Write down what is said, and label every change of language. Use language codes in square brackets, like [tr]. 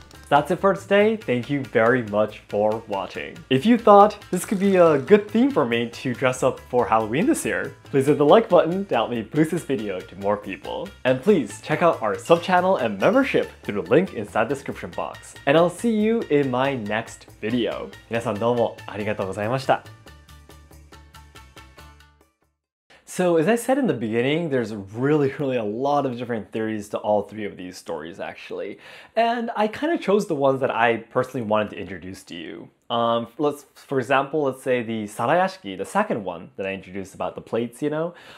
[en] That's it for today. Thank you very much for watching. If you thought this could be a good theme for me to dress up for Halloween this year, please hit the like button to help me boost this video to more people. And please check out our sub channel and membership through the link inside the description box. And I'll see you in my next video. [ja] 皆さんどうもありがとうございました。 [en] So as I said in the beginning, there's really, really a lot of different theories to all three of these stories, actually. And I kind of chose the ones that I personally wanted to introduce to you. For example, let's say the Sarayashiki, the second one that I introduced about the plates, you know.